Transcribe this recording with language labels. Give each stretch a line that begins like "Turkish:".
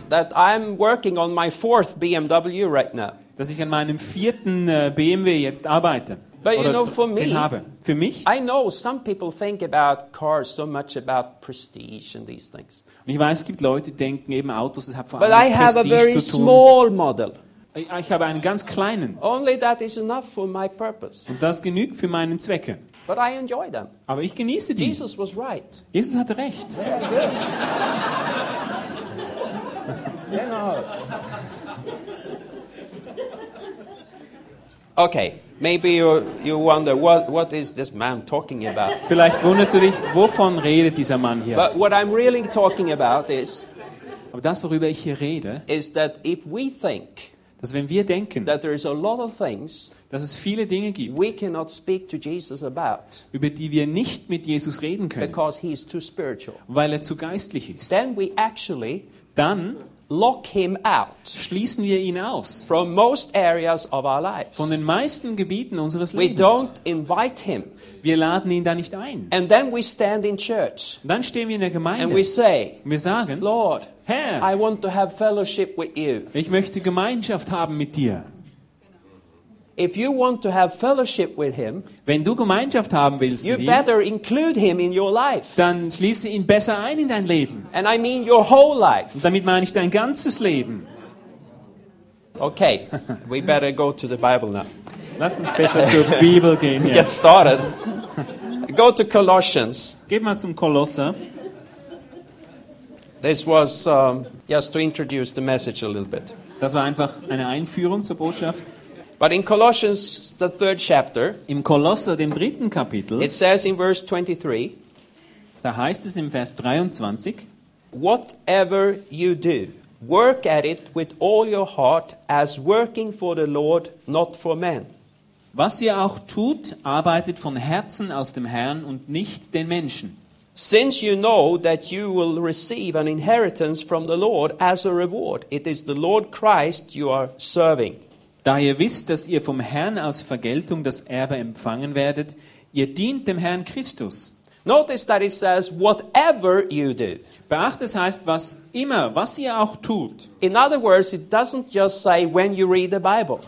English: that I'm working on my fourth BMW right now.
German: Dass ich an meinem vierten BMW jetzt arbeite.
English: But you know, for me,
German: für mich,
English: I know some people think about cars so much about prestige and these things.
German: Und ich weiß, es gibt Leute, die denken eben Autos, es hat vor allem Prestige zu tun.
English: But I have a very small model.
German: Ich habe einen ganz kleinen.
English: Only that is enough for my purpose.
German: Und das genügt für meinen Zwecke.
English: But I enjoy them.
German: Aber ich genieße die.
English: Jesus was right.
German: Jesus hatte recht.
English: Very good. You know. Okay, maybe you wonder what is this man talking about?
German: Vielleicht wunderst du dich, wovon redet dieser Mann hier?
English: But what I'm really talking about is
German: aber das, worüber ich hier rede,
English: is that if we think
German: Dass wenn wir denken,
English: that there is a lot of things,
German: dass es viele Dinge gibt,
English: we cannot speak to Jesus about,
German: über die wir nicht mit Jesus reden können,
English: because he is too spiritual,
German: weil er zu geistlich ist,
English: then we actually
German: dann
English: lock him out,
German: schließen wir ihn aus,
English: from most areas of our lives,
German: von den meisten Gebieten unseres
English: we
German: Lebens.
English: Don't invite him,
German: wir laden ihn da nicht ein.
English: And then we stand in church,
German: dann stehen wir in der Gemeinde,
English: and we say,
German: und wir sagen,
English: Lord,
German: Herr,
English: I want to have fellowship with you.
German: Ich möchte Gemeinschaft haben mit dir.
English: If you want to have fellowship with him,
German: wenn du Gemeinschaft haben willst,
English: you
German: mit
English: better
German: ihm,
English: include him in your life.
German: Dann schließe ihn besser ein in dein Leben.
English: And I mean your whole life.
German: Und damit meine ich dein ganzes Leben.
English: Okay, we better go to the Bible now.
German: Lass uns besser zur Bibel gehen. Ja.
English: Get started. Go to Colossians.
German: Geh mal zum Kolosser.
English: This was just to introduce the message a little bit.
German: Das war einfach eine Einführung zur Botschaft.
English: But in Colossians, the third chapter,
German: im Kolosser, dem dritten Kapitel,
English: it says in verse 23,
German: da heißt es im Vers 23,
English: whatever you do, work at it with all your heart as working for the Lord, not for men.
German: Was ihr auch tut, arbeitet von Herzen aus dem Herrn und nicht den Menschen.
English: Since you know that you will receive an inheritance from the Lord as a reward, it is the Lord Christ you are serving.
German: Da ihr wisst, dass ihr vom Herrn als Vergeltung das Erbe empfangen werdet, ihr dient dem Herrn Christus.
English: Notice that it says whatever you do.
German: Beachtet, es heißt was immer, was ihr auch tut.
English: In other words, it doesn't just say when you read the Bible.